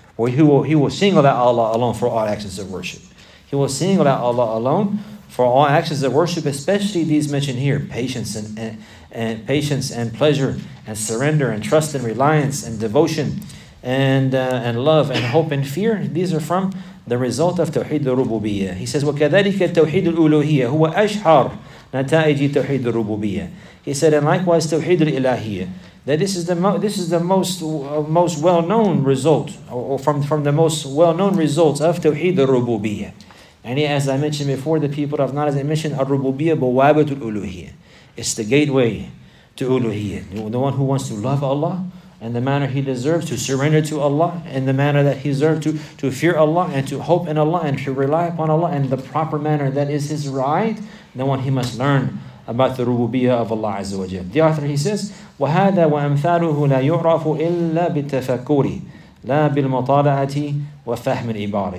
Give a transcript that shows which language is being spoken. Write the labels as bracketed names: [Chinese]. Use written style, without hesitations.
[English] Or he will single out Allah alone for all actions of worship. He will single out Allah alone for all actions of worship, especially these mentioned here, patience and pleasure and surrender and trust and reliance and devotion. And love and hope and fear, these are from the result of Tawheed al-Rububiyyah. He says, [Arabic] وَكَذَلِكَ التَّوْحِيدُ الْأُلُوهِيَّةُ هُوَ أَشْحَرُ نَتَائِجِ تَوْحِيدُ الْرُبُوبِيَّةِ. [English] He said, and likewise Tawheed al-Ilahiyyah, that this is the most well-known result, or from the most well-known results of Tawheed al-Rububiyyah. And as I mentioned before, the people of knowledge mentioned al-Rububiyyah [Arabic] بُوَابَةُ الْأُلُوهِيَّةِ. [English] It's the gateway to Uluhiyyah. The one who wants to love Allah in the manner he deserves, to surrender to Allah in the manner that he deserves, to fear Allah and to hope in Allah and to rely upon Allah in the proper manner that is his right, then one, he must learn about the rububiyyah of Allah Azza wa Jal. The author, he says, [Arabic] وَهَذَا وَأَمْثَالُهُ لَا يُعْرَفُ إِلَّا بِالتَّفَكُّرِ لَا بِالْمُطَالَعَةِ وَفَهْمِ الْعِبَارِ.